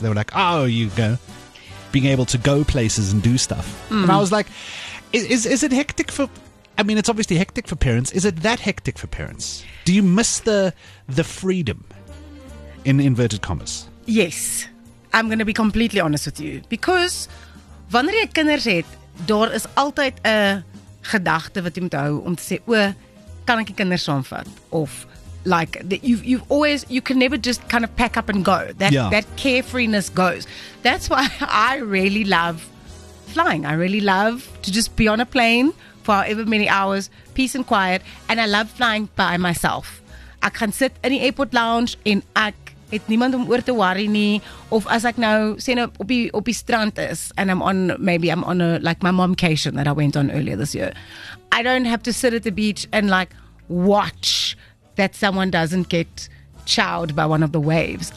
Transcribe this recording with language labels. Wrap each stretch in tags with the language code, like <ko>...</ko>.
<en>They were like, oh, you go. Being able to go places and do stuff. Mm. And I was like, is it hectic for... I mean, it's obviously hectic for parents. Is it that hectic for parents? Do you miss the freedom, in inverted commas? Yes. I'm going to be completely honest with you. Because...</en> <af>Wanneer jy kinders het, daar is altyd 'n gedagte wat jy moet hou om te sê, o, kan ek die kinders saamvat?</af> <en>Of, like, you can never just kind of pack up and go. That carefreeness goes. That's why I really love flying. I really love to just be on a plane for however many hours, peace and quiet. And I love flying by myself.</en> <af>Ek kan sit in die airport lounge en ek, het niemand om oor te worry nie, of as ek nou, sê nou, op die strand is,</af> <en>and I'm on my momcation that I went on earlier this year, I don't have to sit at the beach and like, watch that someone doesn't get chowed by one of the waves.</en>